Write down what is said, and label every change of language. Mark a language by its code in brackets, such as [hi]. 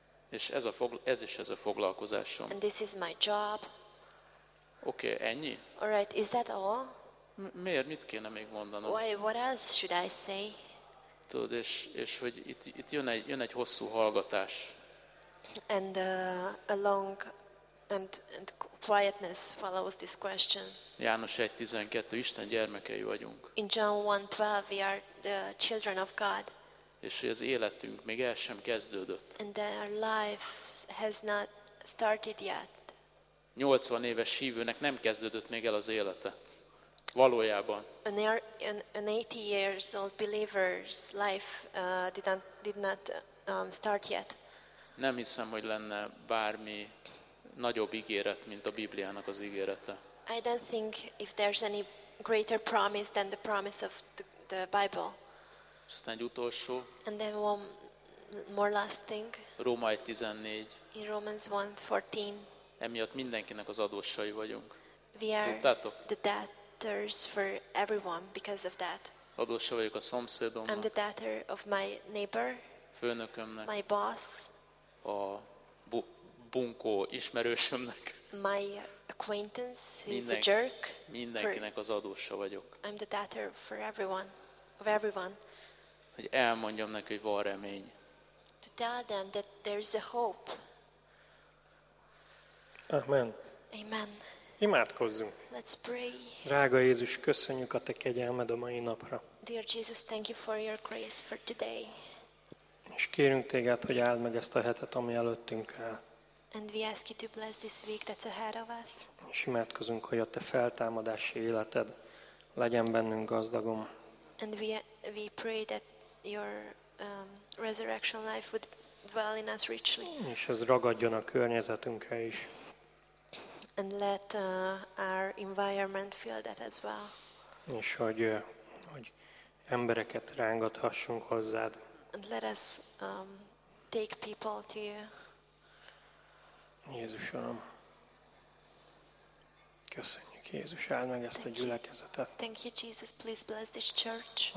[hu] És ez a foglalkozásom. [en] And this is my job. [hu] Okay, ennyi? [en] All right, is that all? [hu] Miért, mit kéne még mondanom? [en] Why, what else should I say? [hu] Tudod, és hogy itt jön egy hosszú hallgatás. [en] And a long and quietness follows this question. [hu] János 1:12, Isten gyermekei vagyunk. [en] In John 1:12 we are the children of God. [hu] És hogy az életünk még el sem kezdődött. [en] And that our life has not started yet. [hu] 80 éves hívőnek nem kezdődött még el az élete. Valójában. [en] An 80 years old believer's life did not start yet. [hu] Nem hiszem, hogy lenne bármi nagyobb ígéret, mint a Bibliának az ígérete. [en] I don't think if there's any greater promise than the promise of the Bible. [hu] És aztán egy utolsó. [en] And then one more last thing. [hu] Róma 1:14. [en] In Romans 1:14. [hu] Emiatt mindenkinek az adósai vagyunk. [en] We are the debtors for everyone because of that. [hu] Adósa vagyok a szomszédomnak. [en] I'm the debtor of my neighbor. [hu] Főnökömnek. [en] My boss. [hu] A bunkó ismerősömnek. [en] My acquaintance is a jerk. [hu] Mindenkinek az adósa vagyok. [en] I'm the debtor for everyone, of everyone. [hu] Hogy elmondjam neki, hogy van remény. [en] To tell them that there is a hope. [hu] Amen. [en] Amen. [hu] Imádkozzunk. [en] Let's pray. [hu] Drága Jézus, köszönjük a te kegyelmed a mai napra. [en] Dear Jesus, thank you for your grace for today. [hu] És kérünk téged, hogy áld meg ezt a hetet, ami előttünk áll. [en] And we ask you to bless this week that's ahead of us. [hu] És imádkozunk, hogy a te feltámadási életed legyen bennünk gazdagom. [en] And we pray that your resurrection life would dwell in us richly. [hu] És ez ragadjon a környezetünkre is. [en] And let our environment feel that as well. [hu] És hogy embereket rángathassunk hozzád. [en] And let us take people to you. [hu] Jézus, Uram, köszönjük, Jézus, áld meg ezt a gyülekezetet. [en] Thank you, Jesus, please bless this church.